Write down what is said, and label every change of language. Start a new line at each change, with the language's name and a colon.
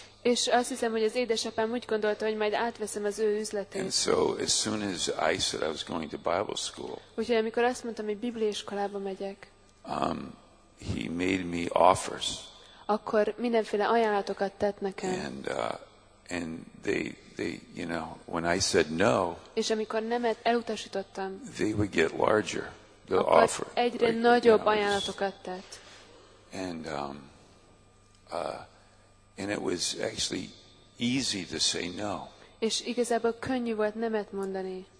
Hungarian: És azt hiszem, hogy az édesapám úgy gondolta, hogy majd átveszem az ő üzletét.
English: And so as soon as I said I was going to Bible school.
Hungarian: Úgyhogy amikor azt mondtam, hogy bibliaiskolába megyek.
English: He made me offers.
Hungarian: Akkor mindenféle ajánlatokat tett nekem.
English: And they you know, when I said no.
Hungarian: És amikor nemet elutasítottam.
English: They would get larger, the
Hungarian: akkor
English: offer.
Hungarian: Egyre like, nagyobb
English: you know,
Hungarian: ajánlatokat tett.
English: And and it was actually easy to say no.
Hungarian: És igazából könnyű volt nemet mondani.